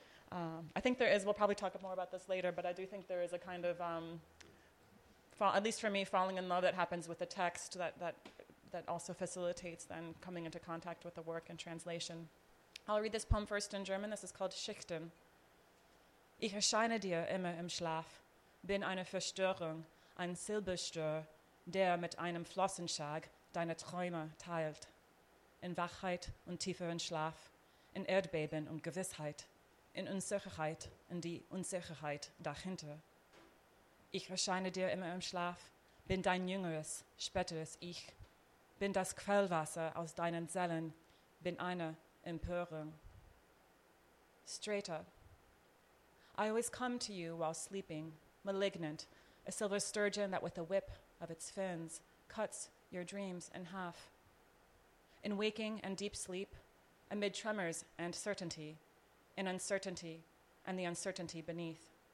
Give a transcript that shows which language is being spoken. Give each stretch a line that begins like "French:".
English: I think there is, we'll probably talk more about this later, but I do think there is a kind of, at least for me, falling in love that happens with the text that also facilitates then coming into contact with the work and translation. I'll read this poem first in German. This is called Schichten.
German: Ich erscheine dir immer im Schlaf, bin eine Verstörung, ein Silberstör, der mit einem Flossenschlag deine Träume teilt. In Wachheit und tieferen Schlaf, in Erdbeben und Gewissheit, in Unsicherheit und die Unsicherheit dahinter. Ich erscheine dir immer im Schlaf, bin dein jüngeres, späteres Ich, bin das Quellwasser aus deinen Zellen, bin eine Empörung.
English: Straight up. I always come to you while sleeping, malignant, a silver sturgeon that with a whip of its fins cuts your dreams in half. In waking and deep sleep, amid tremors and certainty, in uncertainty and the uncertainty beneath.